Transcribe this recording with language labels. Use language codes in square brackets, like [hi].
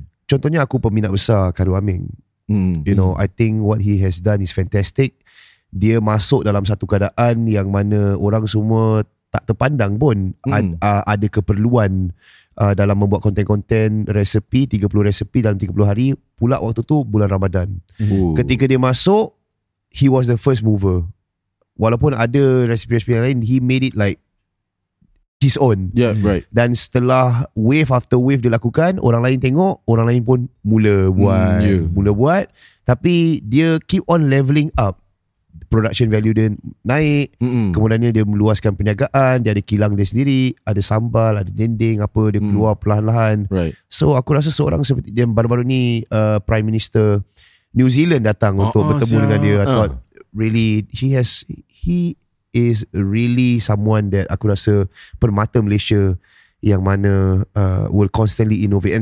[ms] Contohnya aku peminat besar Kadu Aming. [en] You know, I think what he has done is fantastic. [ms] Dia masuk dalam satu keadaan yang mana orang semua tak terpandang pun ada keperluan dalam membuat konten-konten resepi, 30 resepi dalam 30 hari pula waktu tu bulan Ramadan. Ketika dia masuk, [en] he was the first mover. [ms] Walaupun ada resepi-resepi yang lain, [en] he made it like his own. [ms] Dan setelah [en] wave after wave [ms] dilakukan, orang lain tengok, orang lain pun mula buat. Mula buat. Tapi dia [en] keep on leveling up. [ms] Production value dia naik. Kemudiannya dia meluaskan perniagaan. Dia ada kilang dia sendiri. Ada sambal, ada dinding, apa. Dia keluar perlahan-lahan. So aku rasa seorang seperti dia baru-baru ni, Prime Minister New Zealand datang untuk bertemu dengan dia. [en] I thought really he has, he is really someone that [ms] aku rasa permata Malaysia yang mana [en] will constantly innovate.